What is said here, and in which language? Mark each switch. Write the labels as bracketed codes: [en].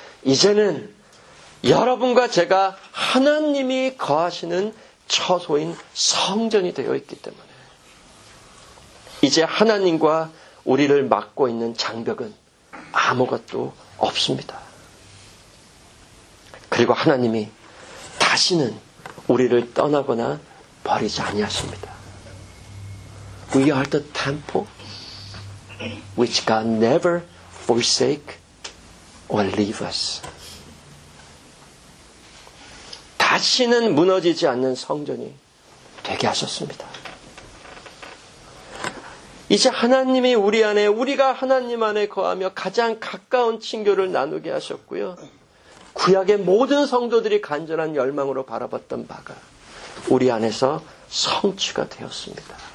[ko] 이제는 여러분과 제가 하나님이 거하시는 처소인 성전이 되어 있기 때문에 이제 하나님과 우리를 막고 있는 장벽은 아무것도 없습니다. 그리고 하나님이 다시는 우리를 떠나거나 버리지 아니하십니다. [en] We are the temple which God never forsake or leave us. [ko] 다시는 무너지지 않는 성전이 되게 하셨습니다. 이제 하나님이 우리 안에 우리가 하나님 안에 거하며 가장 가까운 친교를 나누게 하셨고요. 구약의 모든 성도들이 간절한 열망으로 바라봤던 바가 우리 안에서 성취가 되었습니다.